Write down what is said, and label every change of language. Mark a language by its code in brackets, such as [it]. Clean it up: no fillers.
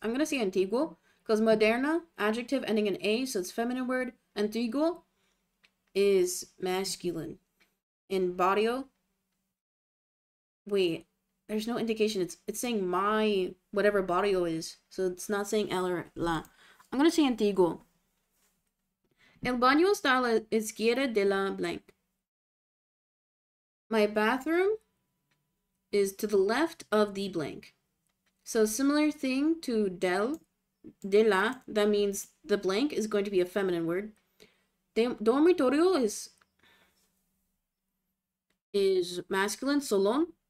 [en] I'm gonna say antiguo because moderna, adjective ending in a, so it's feminine word. Antiguo is masculine. In barrio. Wait, there's no indication. It's saying my whatever barrio is, so it's not saying el or la. I'm gonna say antiguo. [es] El baño está a la izquierda de la blank. [en] My bathroom is to the left of the blank. So similar thing to del, de la, that means the blank is going to be a feminine word. Dormitorio is masculine. Salón.